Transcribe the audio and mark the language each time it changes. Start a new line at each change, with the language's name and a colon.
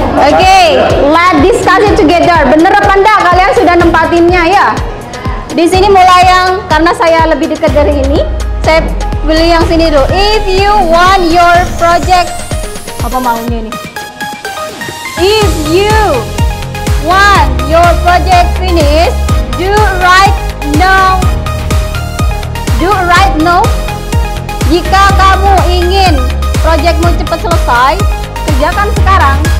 English: Okay, let's discuss it together.
Indonesian: Bener apa enggak kalian sudah nempatinnya ya? di sini mulai yang karena saya lebih dekat dari ini, saya beli yang sini dulu.
English: If you want your project,
Indonesian: apa maunya ini?
English: If you want your project finish, do right now. Do right now.
Indonesian: Jika kamu ingin projectmu cepat selesai, kerjakan sekarang.